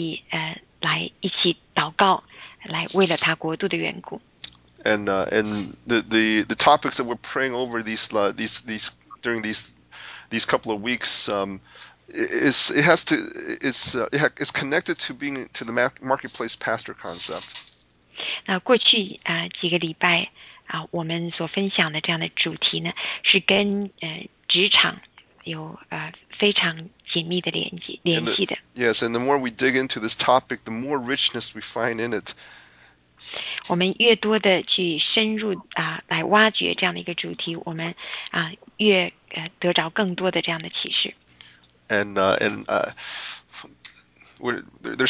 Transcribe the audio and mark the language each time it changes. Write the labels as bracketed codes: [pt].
[zh] 当我们跟神这样子连接的时候，我们可以看到有这么丰富的内容，我们可以来一起祷告。 [en] And the topics that we're praying over during these couple of weeks is connected to being to the marketplace pastor concept. [zh] 那过去几个礼拜我们所分享的这样的主题呢，是跟职场有非常紧密的联系的。 [en] Yes, and the more we dig into this topic, the more richness we find in it. [zh] 我们越多的去深入来挖掘这样的一个主题，我们越得着更多的这样的启示。 [en] And there's